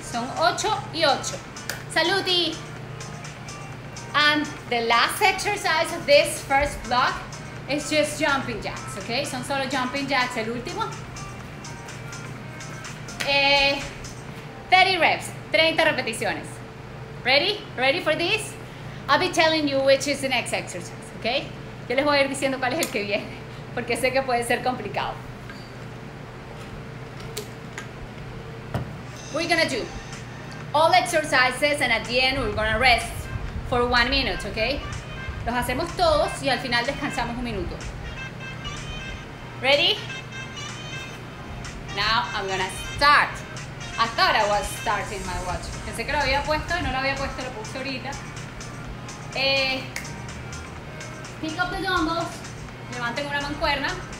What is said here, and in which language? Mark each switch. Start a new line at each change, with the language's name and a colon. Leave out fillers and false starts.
Spanish: Son 8 y 8.
English: Saluti! And the last exercise of this first block is just jumping jacks, okay?
Spanish: Son solo jumping jacks, el último.
English: 30 reps,
Spanish: 30 repeticiones.
English: Ready? Ready for this? I'll be telling you which is the next exercise, okay?
Spanish: Yo les voy a ir diciendo cuál es el que viene, porque sé que puede ser complicado.
English: We're gonna do all exercises and at the end we're gonna rest for 1 minute, okay?
Spanish: Los hacemos todos y al final descansamos 1 minuto. Ready?
English: Now I'm gonna start. I thought I was starting my watch.
Spanish: Pensé que lo había puesto, no lo había puesto, lo puse ahorita.
English: Pick up the dumbbells.
Spanish: Levanten una mancuerna.